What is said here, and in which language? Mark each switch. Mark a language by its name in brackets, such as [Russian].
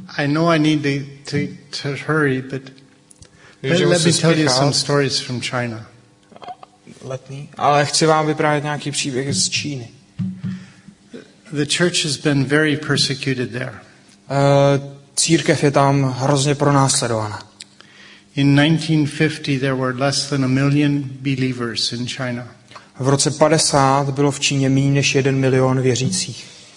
[English] I know I need to hurry, but let me tell you some stories from China. Let me. [Czech] Ale chci vám vyprávět nějaký příběh z Číny. [English] The church has been very persecuted there. [Czech] Církev je tam hrozně pronásledována. [English] In 1950 there were less than a million believers in China. [Czech] V roce 50 bylo v Číně méně než 1 milion věřících.